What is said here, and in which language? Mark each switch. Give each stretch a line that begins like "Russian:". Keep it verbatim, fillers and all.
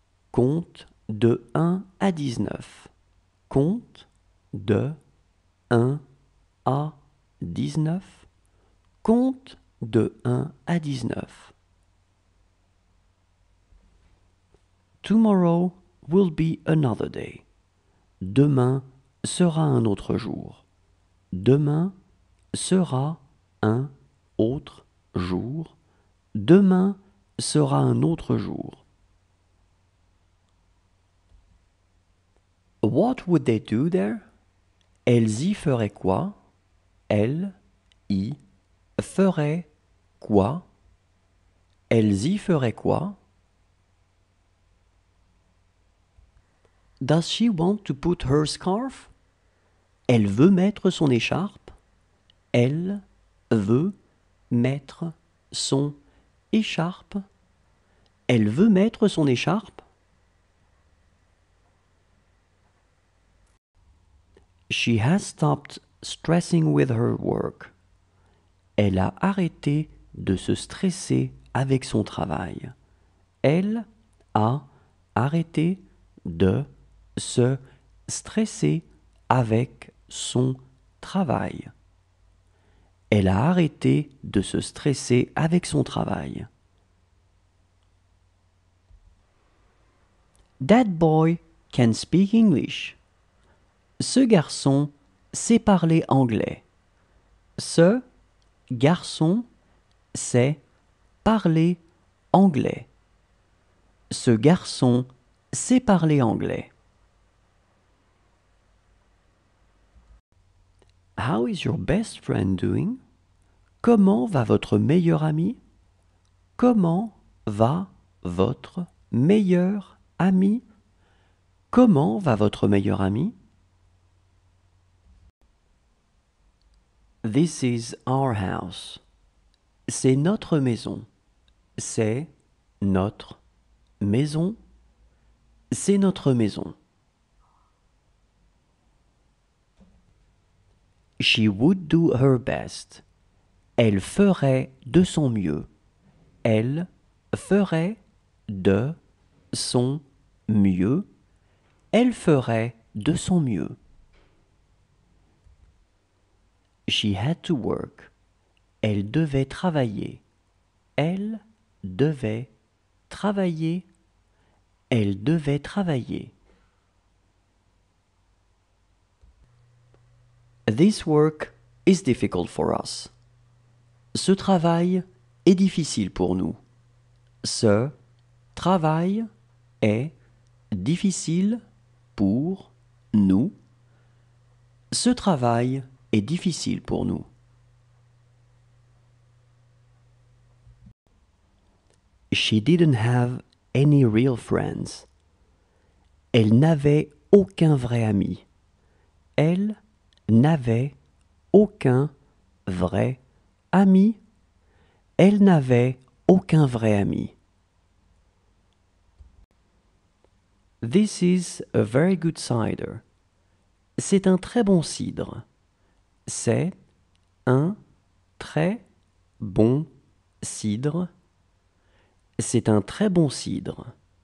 French: Compte de un à dix-neuf. Compte de un à dix-neuf. Compte de un à dix-neuf.
English: Tomorrow will be another day.
French: Demain sera un autre jour. Demain sera un autre jour. Demain sera un autre jour.
English: What would they do there?
French: Elles y feraient quoi? Elles y feraient quoi? Elles y feraient quoi?
English: Does she want to put her scarf?
French: Elle veut mettre son écharpe. Elle veut mettre son écharpe. Elle veut mettre son écharpe.
English: She has stopped stressing with her work.
French: Elle a arrêté de se stresser avec son travail. Elle a arrêté de se stresser avec son travail. Elle a arrêté de se stresser avec son travail.
English: That boy can speak English.
French: Ce garçon sait parler anglais. Ce garçon sait parler anglais. Ce garçon sait parler anglais.
English: How is your best friend doing?
French: Comment va votre meilleur ami? Comment va votre meilleur ami? Comment va votre meilleur ami?
English: This is our house.
French: C'est notre maison. C'est notre maison. C'est notre maison.
English: She would do her best.
French: Elle ferait de son mieux. Elle ferait de son mieux. Elle ferait de son mieux.
English: She had to work.
French: Elle devait travailler. Elle devait travailler. Elle devait travailler.
English: This work is difficult for us.
French: Ce travail est difficile pour nous. Ce travail est difficile pour nous. Ce travail est difficile pour nous.
English: She didn't have any real friends.
French: Elle n'avait aucun vrai ami. Elle n'avait aucun vrai ami. Elle n'avait aucun vrai ami.
English: This is a very good cider.
French: C'est un très bon cidre. C'est un très bon cidre. C'est un très bon cidre.